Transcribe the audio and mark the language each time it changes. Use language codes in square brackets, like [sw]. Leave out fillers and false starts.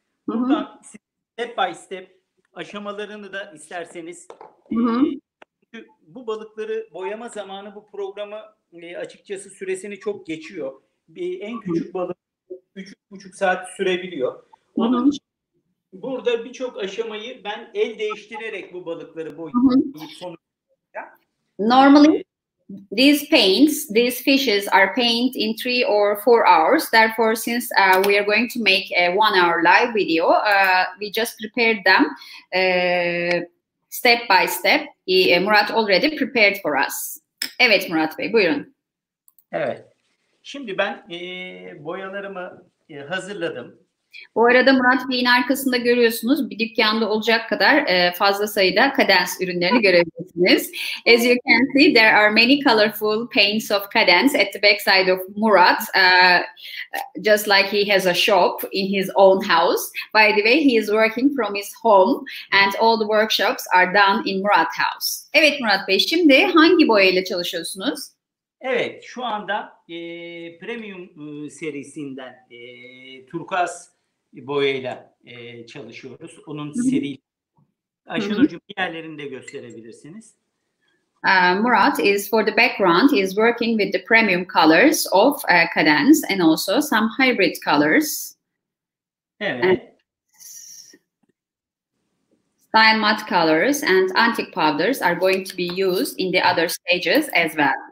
[tr] Buradan [en] step by step [tr] aşamalarını da isterseniz bu balıkları boyama zamanı bu programı açıkçası süresini çok geçiyor. En küçük balık 3,5 saat sürebiliyor. Onun için burada birçok aşamayı ben el değiştirerek bu balıkları boyayacağım. [en] Normally these paints, these fishes are painted in 3 or 4 hours. Therefore, since we are going to make a 1 hour live video, we just prepared them step by step. Murat already prepared for us. [tr] Evet Murat Bey, buyurun. Evet. Şimdi ben boyalarımı hazırladım. Bu arada Murat Bey'in arkasında görüyorsunuz bir dükkanda olacak kadar fazla sayıda Cadence ürünlerini görebilirsiniz. [en] As you can see, there are many colorful paints of Cadence at the backside of Murat, just like he has a shop in his own house. By the way, he is working from his home and all the workshops are done in Murat house. [tr] Evet Murat Bey, şimdi hangi boyayla çalışıyorsunuz? Evet, şu anda premium serisinden turkuaz boyayla çalışıyoruz. Onun seri aşınucu yerlerinde gösterebilirsiniz. [en] Murat is for the background is working with the premium colors of Cadence and also some hybrid colors. [tr] Evet. [en] Style matte colors and antique powders are going to be used in the other stages as well.